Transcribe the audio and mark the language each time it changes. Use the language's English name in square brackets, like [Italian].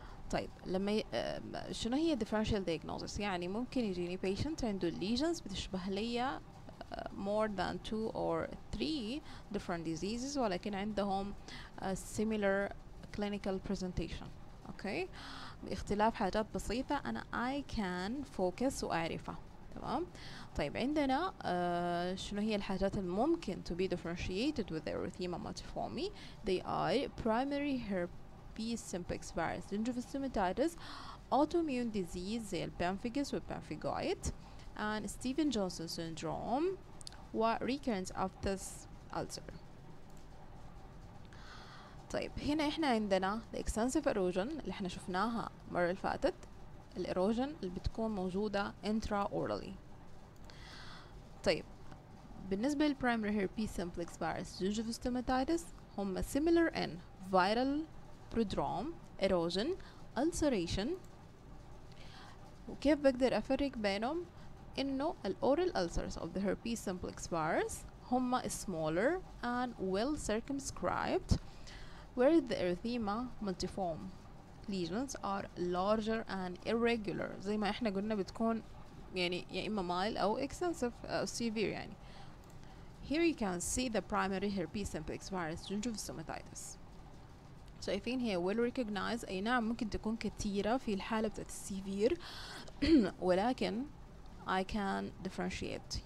[Arabic] طيب لما شنو هي [English] differential diagnosis؟ [Arabic] يعني ممكن يجيني [English] patient عنده lesions [Arabic] بتشبه ليا [English] more than 2 or 3 different diseases [Arabic] ولكن عندهم [English] similar clinical presentation. [Arabic] Okay, باختلاف حاجات بسيطة أنا [English] I can focus [Arabic] وأعرفها. تمام؟ طيب عندنا شنو هي الحاجات الممكن [English] to be differentiated with the erythema multiforme؟ They are primary herpes. Simplex virus, gingival stomatitis, autoimmune disease, pemphigus with pemphigoid, and Stephen Johnson syndrome, what recurrence of this ulcer. [Arabic] طيب هنا احنا عندنا [English] the extensive erosion [Arabic] اللي احنا شفناها مرة الفاتت, الإروجن اللي بتكون موجودة intraorally. طيب بالنسبة [English] للprimary herpes simplex virus, gingival stomatitis, هم similar in viral prodrome, erosion, ulceration. [Arabic] وكيف بقدر أفرق بينهم؟ إنه [English] the oral ulcers of the herpes simplex virus [Arabic] هما [English] smaller and well circumscribed, whereas the erythema multiforme lesions are larger and irregular. [Arabic] زي ما إحنا قلنا بتكون يعني يا إما mild أو extensive أو severe يعني. [English] Here you can see the primary herpes simplex virus gingival stomatitis. [Arabic] شايفين هي [English] well recognized, [Arabic] أي نعم ممكن تكون كثيرة في الحالة بتاعت السيفير ولكن [English] I can differentiate.